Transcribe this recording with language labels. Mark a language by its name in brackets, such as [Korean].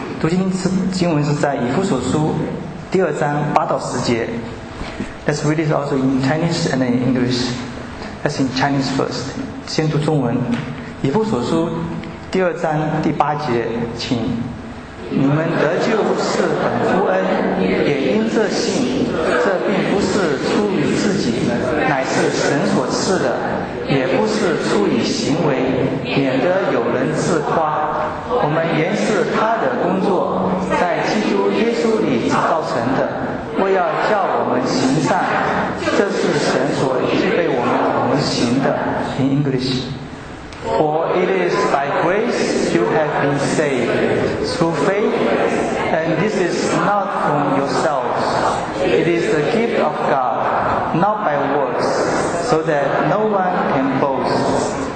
[Chinese] 读经经文是在以弗所书第二章八到十节。 [English] Let's read it also in Chinese and in English. Let's in Chinese first. [Chinese] 先读中文。以弗所书第二章第八节，请。你们得救是本乎恩，也因这信。这并不是出于自己，乃是神所赐的；也不是出于行为，免得有人自夸。我们原是他的工作，在基督耶稣里造成的，为要叫我们行善。这是神所预备我们同行的。 [English] In English. For it is by grace you have been saved through faith, and this is not from yourselves. It is the gift of God, not by works, so that no one can boast.